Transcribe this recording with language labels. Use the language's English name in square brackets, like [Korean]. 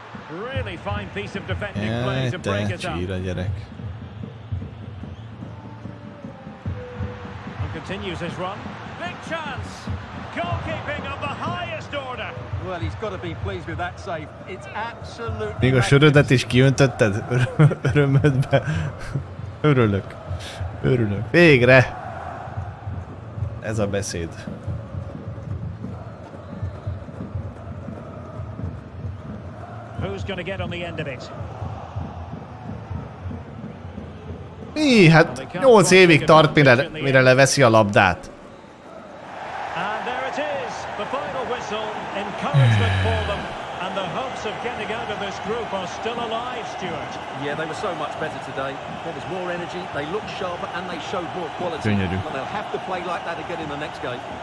[English] Really fine piece of defending play to break it up. [Hungarian] Gyere, gyerek. [English] And continues his run. Big chance. Goalkeeping of the highest order. Well, he's got to be pleased with that save. It's absolutely. [Hungarian] Még a sörödet is kiöntötted örömödbe. Örülök. Örülök. Végre. Ez a beszéd. [English] Who's gonna get on the end of it? [Hungarian] Mi? Hát 8 évig tart, mire leveszi a labdát. [English] And there it is, the final whistle, encouragement for them, and the hopes of getting out of this group are still alive, Stuart. Yeah, they were so much better today. There was more energy, they looked sharper and they showed more quality. [Hungarian] Gyönyörű. [English] But they'll have to play like that again in the next game.